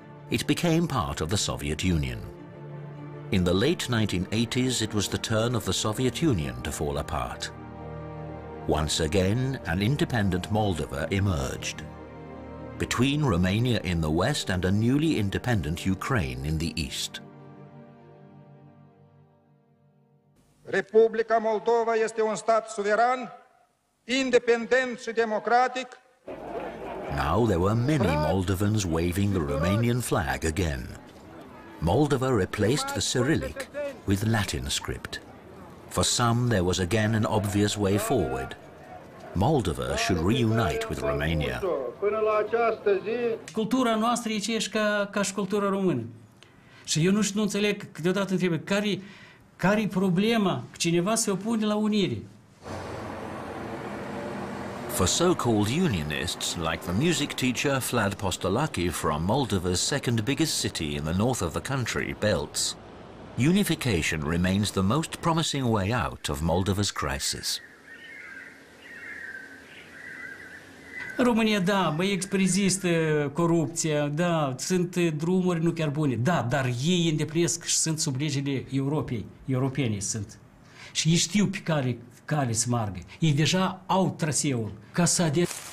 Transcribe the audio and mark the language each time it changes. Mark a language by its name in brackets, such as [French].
[English] It became part of the Soviet Union. In the late 1980s, it was the turn of the Soviet Union to fall apart. Once again, an independent Moldova emerged. Between Romania in the west and a newly independent Ukraine in the east. [Romanian] Republica Moldova este un stat suveran, independent și democratic. [English] Now there were many Moldovans waving the Romanian flag again. Moldova replaced the Cyrillic with Latin script. For some, there was again an obvious way forward. Moldova should reunite with Romania. [Romanian] Cultura noastră e aceeași ca și cultura română. Și eu nu înțeleg, câteodată întreb, care e problema că cineva se opune la unire? [English] For so-called unionists, like the music teacher Vlad Postolaki from Moldova's second biggest city in the north of the country, Belts, unification remains the most promising way out of Moldova's crisis. [Romanian] România, da, bă, există corupția, da, sunt drumuri nu chiar bune, da, dar ei îndeplinesc și sunt sub legile Europei, europenii sunt. Și ei știu pe care cale să margă. Ei deja au traseul ca să adere.